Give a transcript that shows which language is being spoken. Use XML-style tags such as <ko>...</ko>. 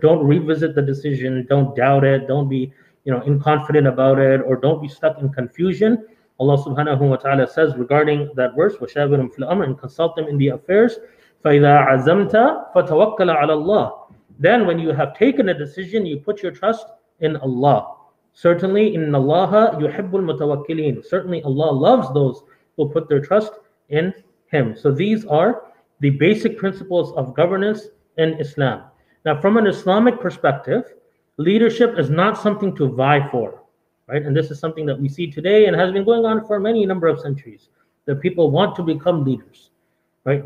<en>Don't revisit the decision, don't doubt it, don't be, you know, inconfident about it, or don't be stuck in confusion. Allah subhanahu wa ta'ala says regarding that verse,</en> <ar>وَشَابِرُمْ فِي الْأَمْرِ,</ar> <en>and consult them in the affairs.</en> <ar>فَإِذَا عَزَمْتَ فَتَوَكَّلَ عَلَى اللَّهِ.</ar> <en>Then when you have taken a decision, you put your trust in Allah. Certainly,</en> <ar>إِنَّ اللَّهَ يُحِبُّ الْمُتَوَكِّلِينَ.</ar> <en>Certainly Allah loves those who put their trust in Him. So these are the basic principles of governance in Islam. Now from an Islamic perspective, leadership is not something to vie for. Right? And this is something that we see today and has been going on for many number of centuries, that people want to become leaders. Right?</en>